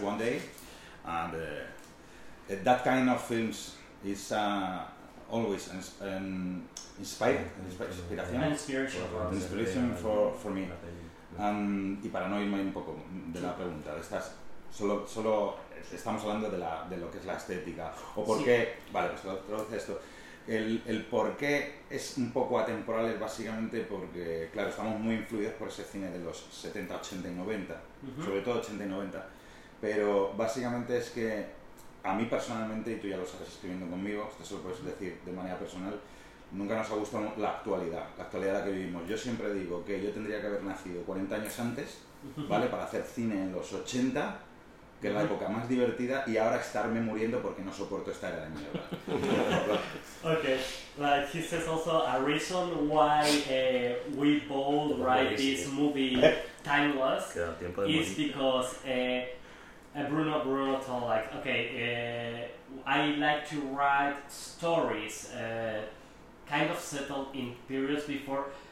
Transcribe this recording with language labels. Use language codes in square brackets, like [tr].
[en] One day, and that kind of films is always inspiration for me. [es] Y para no irme un poco de la pregunta, estás solo estamos hablando de lo que es la estética o por qué. Vale, pues traduce esto. El por qué es un poco atemporal es básicamente porque, claro, estamos muy influidos por ese cine de los 70, 80 y 90, uh-huh. Sobre todo 80 y 90. Pero básicamente es que a mí personalmente, y tú ya lo sabes escribiendo conmigo, esto se lo puedes decir de manera personal, nunca nos ha gustado la actualidad en la que vivimos. Yo siempre digo que yo tendría que haber nacido 40 años antes, ¿vale? Para hacer cine en los 80, que es la época más divertida, y ahora estarme muriendo porque no soporto esta era de mierda. [en] Okay, like he says also a reason why we both write this movie timeless is because Bruno told like okay I like to write stories kind of settled in periods before,